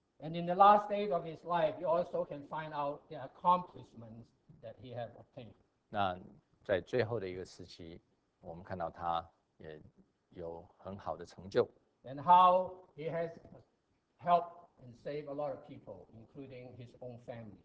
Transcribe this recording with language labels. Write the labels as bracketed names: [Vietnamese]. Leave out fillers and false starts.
[English] And in the last stage of his life, you also can find out the accomplishments that he has obtained. [Chinese] 那在最后的一个时期，我们看到他也有很好的成就。 [English] And how he has helped. And save a lot of people, including his own family.